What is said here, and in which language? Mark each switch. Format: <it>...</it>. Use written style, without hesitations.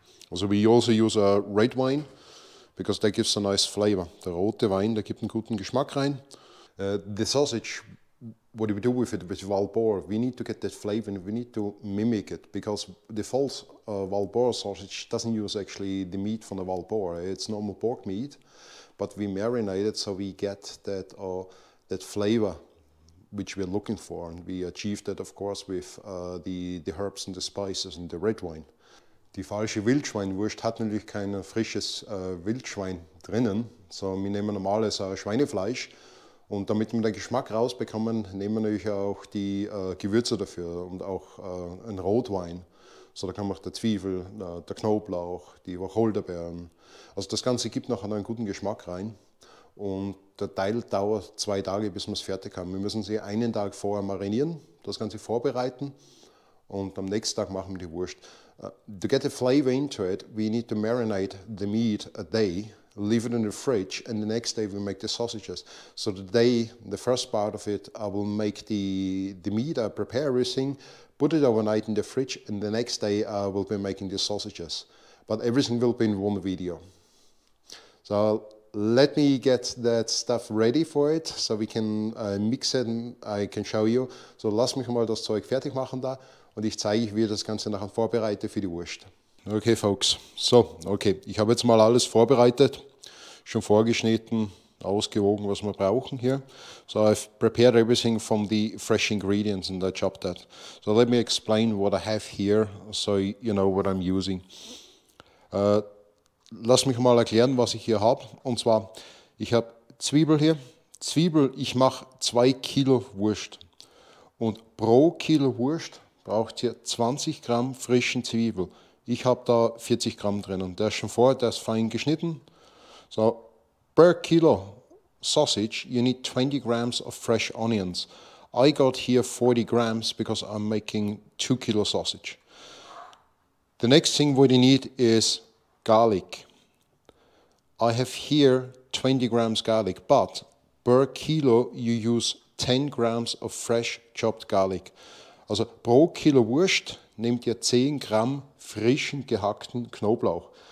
<en>Also we also use a red wine, because that gives a nice flavor.</en> <de>Der rote Wein, der gibt einen guten Geschmack rein.</de> <en>The sausage, what do we do with it, with wild boar, we need to get that flavor and we need to mimic it, because the false wild boar sausage doesn't use actually the meat from the wild boar, it's normal pork meat, but we marinate it so we get that, that flavor which we're looking for, and we achieve that of course with the herbs and the spices and the red wine.</en> <de>Die falsche Wildschweinwurst hat natürlich kein frisches Wildschwein drinnen, so wir nehmen normales Schweinefleisch. Und damit wir den Geschmack rausbekommen, nehmen wir natürlich auch die Gewürze dafür und auch einen Rotwein. So, da kann man auch der Zwiebel, der Knoblauch, die Wacholderbeeren. Also das Ganze gibt noch einen guten Geschmack rein. Und der Teil dauert zwei Tage, bis wir es fertig haben. Wir müssen sie einen Tag vorher marinieren, das Ganze vorbereiten. Und am nächsten Tag machen wir die Wurst.</de> <en>To get the flavor into it, we need to marinate the meat a day. Leave it in the fridge, and the next day we make the sausages. So the day, the first part of it, I will make the meat, I prepare everything, put it overnight in the fridge, and the next day I will be making the sausages. But everything will be in one video. So let me get that stuff ready for it, so we can mix it and I can show you.</en> <de>So lass mich mal das Zeug fertig machen da, und ich zeige euch, wie ich das Ganze nachher vorbereite für die Wurst.</de> <en>Okay, folks.</en> <de>So, okay. Ich habe jetzt mal alles vorbereitet. Schon vorgeschnitten, ausgewogen, was wir brauchen hier.</de> <en>So, I've prepared everything from the fresh ingredients and I chopped that. So, let me explain what I have here, so you know what I'm using.</en> <de>Lass mich mal erklären, was ich hier habe. Und zwar, ich habe Zwiebel hier. Zwiebel, ich mache 2 Kilo Wurst. Und pro Kilo Wurst braucht ihr 20 Gramm frischen Zwiebel. Ich habe da 40 Gramm drin und der ist schon vorher, der ist fein geschnitten.</de> <en>So, per Kilo Sausage, you need 20 grams of fresh onions. I got here 40 grams, because I'm making 2 Kilo Sausage. The next thing what you need is garlic. I have here 20 grams garlic, but per Kilo you use 10 grams of fresh chopped garlic.</en> <de>Also pro Kilo Wurst nehmt ihr 10 Gramm frischen gehackten Knoblauch.</de>